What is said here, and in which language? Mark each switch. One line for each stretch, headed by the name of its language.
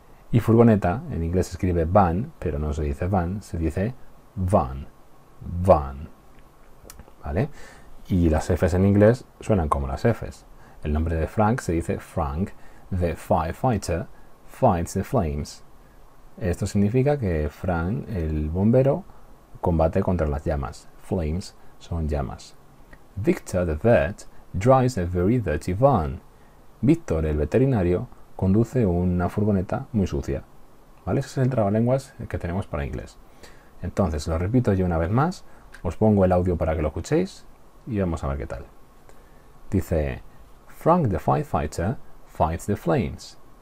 Spanish: Y furgoneta, en inglés se escribe van, pero no se dice van, se dice van, van, ¿vale? Y las F's en inglés suenan como las F's. El nombre de Frank se dice Frank,
English: the firefighter fights the flames.
Spanish: Esto significa que Frank, el bombero, combate contra las llamas. Flames son llamas.
English: Victor, the vet, drives a very dirty van.
Spanish: Víctor, el veterinario, conduce una furgoneta muy sucia. ¿Vale? Ese es el trabalenguas que tenemos para inglés. Entonces, lo repito yo una vez más, os pongo el audio para que lo escuchéis y vamos a ver qué tal. Dice,
English: Frank the firefighter fights the flames.